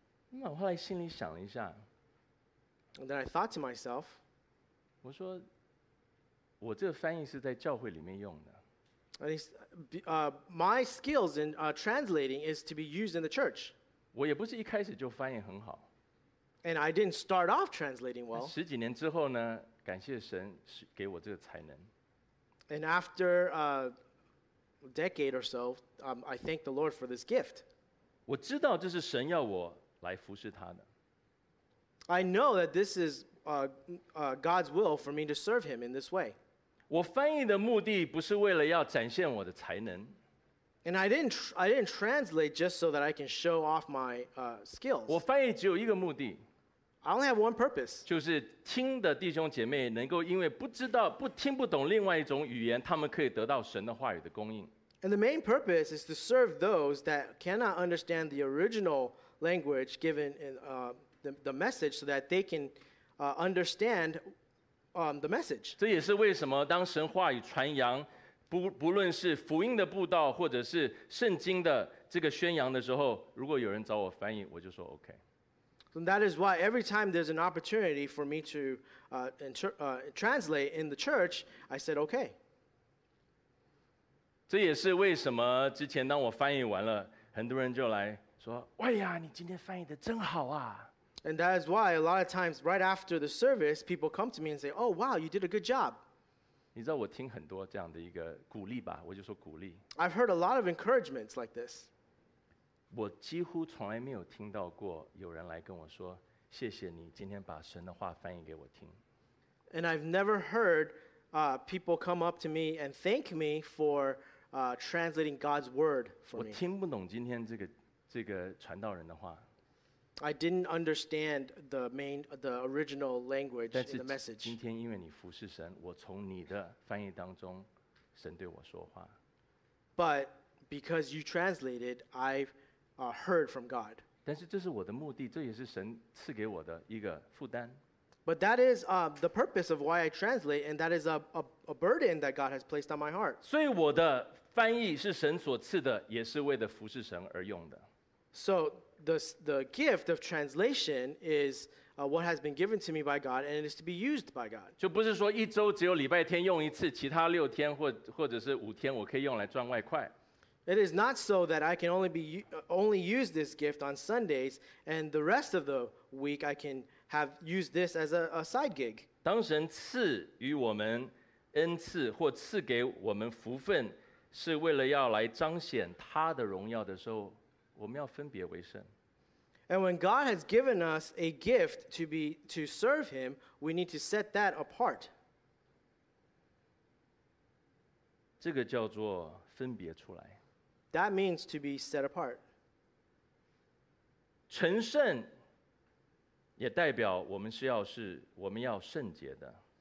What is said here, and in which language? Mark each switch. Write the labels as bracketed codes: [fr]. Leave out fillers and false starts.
[zh] 那我后来心里想了一下。 [en] And then I thought to myself, [zh] 我说：“我这个翻译是在教会里面用的。” [en] And my skills in translating is to be used in the church. [zh] 我也不是一开始就翻译很好。 [en] And I didn't start off translating well. [zh] 十几年之后呢，感谢神给我这个才能。 [en] And after a decade or so, I thank the Lord for this gift. [zh] 我知道这是神要我来服侍他的。 [en] I know that this is God's will for me to serve Him in this way. [zh] 我翻译的目的不是为了要展现我的才能。 [en] And I didn't translate just so that I can show off my skills. [zh] 我翻译只有一个目的。 [en] I only have one purpose. [zh] 就是听的弟兄姐妹能够因为不知道不听不懂另外一种语言，他们可以得到神的话语的供应。 [en] And the main purpose is to serve those that cannot understand the original language given in the message so that they can understand. The message. [zh] 这也是为什么当神话语传扬，不论是福音的布道，或者是圣经的这个宣扬的时候，如果有人找我翻译，我就说 OK. [en] So that is why every time there's an opportunity for me to translate in the church, I said OK. [zh] 这也是为什么之前当我翻译完了，很多人就来说：“哎呀，你今天翻译的真好啊！” [en] And that is why a lot of times, right after the service, people come to me and say, "Oh, wow, you did a good job." [zh] 你知道我听很多这样的一个鼓励吧？我就说鼓励。 [en] I've heard a lot of encouragements like this. [zh] 我几乎从来没有听到过有人来跟我说：“谢谢你今天把神的话翻译给我听。” [en] And I've never heard people come up to me and thank me for translating God's word for me. [zh] 我听不懂今天这个传道人的话。 [en] I didn't understand the original language in the message. [zh] 今天因为你服侍神，我从你的翻译当中，神对我说话。 [en] But because you translated, I've heard from God. [zh] 但是这是我的目的，这也是神赐给我的一个负担。 [en] But that is the purpose of why I translate, and that is a burden that God has placed on my heart. [zh] 所以我的翻译是神所赐的，也是为了服侍神而用的。 [en] So. The gift of translation is what has been given to me by God, and it is to be used by God. [zh] 就不是说一周只有礼拜天用一次，其他六天或者是五天我可以用来赚外快。 [en] It is not so that I can only use this gift on Sundays, and the rest of the week I can use this as a side gig. [zh] 当神赐予我们恩赐或赐给我们福分，是为了要来彰显他的荣耀的时候，我们要分别为圣。 [en] And when God has given us a gift to serve Him, we need to set that apart. [zh] 这个叫做分别出来。 [en] That means to be set apart. [zh] 成圣也代表我们是要是我们要圣洁的。